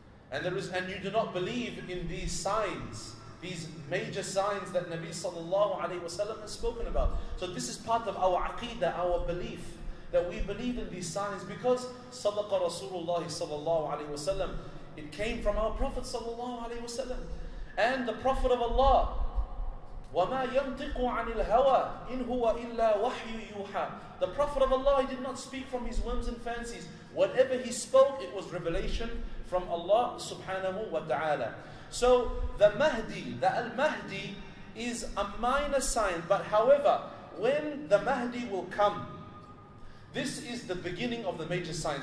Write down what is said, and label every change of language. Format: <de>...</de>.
<en>And you do not believe in these signs, these major signs that Nabi sallallahu alayhi wa sallam has spoken about. So this is part of our aqidah, our belief, that we believe in these signs because sadaqa Rasulullah sallallahu alayhi wa sallam, it came from our Prophet sallallahu alayhi wa sallam. And the Prophet of Allah,</en> <ar>وَمَا يَنْطِقُ عَنِ الْهَوَىٰ إِنْ هُوَ إِلَّا وَحْيُّ يُوحَىٰ.</ar> <en>The Prophet of Allah, he did not speak from his whims and fancies. Whatever he spoke, it was revelation from Allah subhanahu wa ta'ala. So the Mahdi, the Al-Mahdi is a minor sign, but however, when the Mahdi will come, this is the beginning of the major sign.</en>